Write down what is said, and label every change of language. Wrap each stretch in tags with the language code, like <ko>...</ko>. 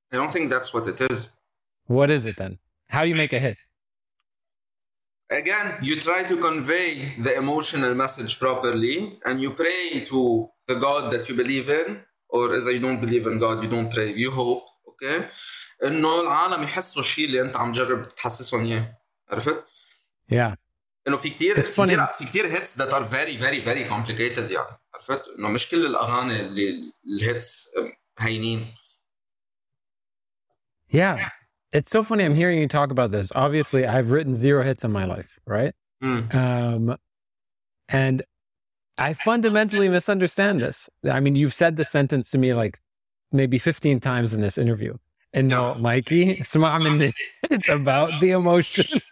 <en>I don't think that's what it is. What is it then? How do you make a hit? Again, you try to convey the emotional message properly and you pray to the God that you believe in, or as you don't believe in God, you don't pray, you hope, okay?</en> <ar>إنه العالم يحسوا الشيء اللي أنت عم جرب تحسسهم إياه، عرفت؟</ar> <en>Yeah.</en> <ar>إنه في كتير في كتير</ar> <en>hits that are very very very complicated</en> <ar>يعني، عرفت؟ إنه مش كل الأغاني اللي ال hits هينين.</ar> <en>Yeah. It's so funny. I'm hearing you talk about this. Obviously, I've written zero hits in my life, right? Mm. And I fundamentally misunderstand this. I mean, you've said the sentence to me like maybe 15 times in this interview. And no, Mikey, it's about the emotion.</en>